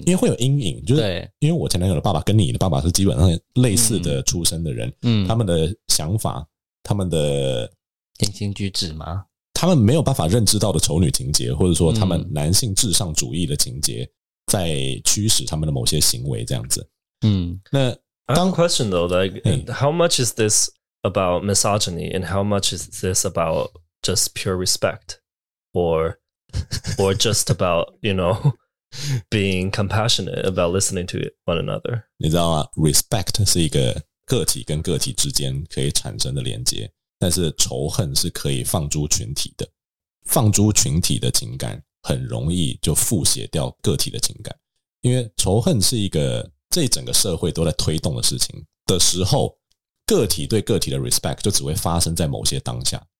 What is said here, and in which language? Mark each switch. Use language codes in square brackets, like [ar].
[zh] 因为会有阴影，就是因为我前男友的爸爸跟你的爸爸是基本上类似的出身的人、嗯嗯、他们的想法，他们的言行举止吗，他们没有办法认知到的丑女情节，或者说他们男性至上主义的情节、嗯、在驱使他们的某些行为这样子。嗯，那当 [en] question though like how much is this about misogyny and how much is this about just pure respect or just about, you know, being compassionate about listening to one another. [zh] 你知道吗？ Respect 是一个个体跟个体之间可以产生的连接，但是仇恨是可以放诸群体的。放诸群体的情感很容易就覆写掉个体的情感。因为仇恨是一个这整个社会都在推动的事情的时候，个体对个体的 respect 就只会发生在某些当下。